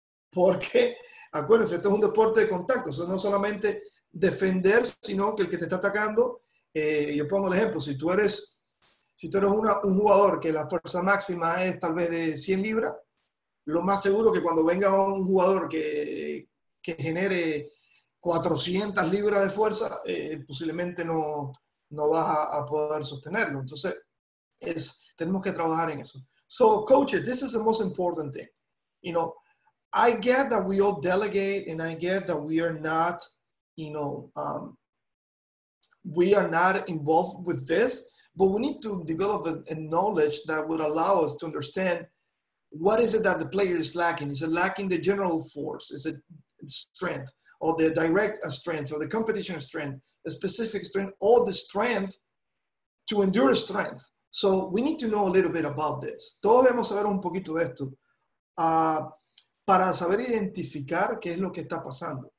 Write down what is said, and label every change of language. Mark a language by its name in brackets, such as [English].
[Spanish] Porque, acuérdense, esto es un deporte de contacto. O sea, no solamente defender, sino que el que te está atacando, yo pongo el ejemplo, si tú eres un jugador que la fuerza máxima es tal vez de 100 libras, lo más seguro que cuando venga un jugador que genere 400 libras de fuerza, posiblemente no vas a poder sostenerlo. Entonces, tenemos que trabajar en eso. [English] So, coaches, this is the most important thing. You know, I get that we all delegate and I get that we are not, you know, we are not involved with this, but we need to develop a knowledge that would allow us to understand what is it that the player is lacking. Is it lacking the general force? Is it strength or the direct strength or the competition strength, a specific strength, or the strength to endure strength? So we need to know a little bit about this. [Spanish] Todos debemos saber un poquito de esto para saber identificar qué es lo que está pasando.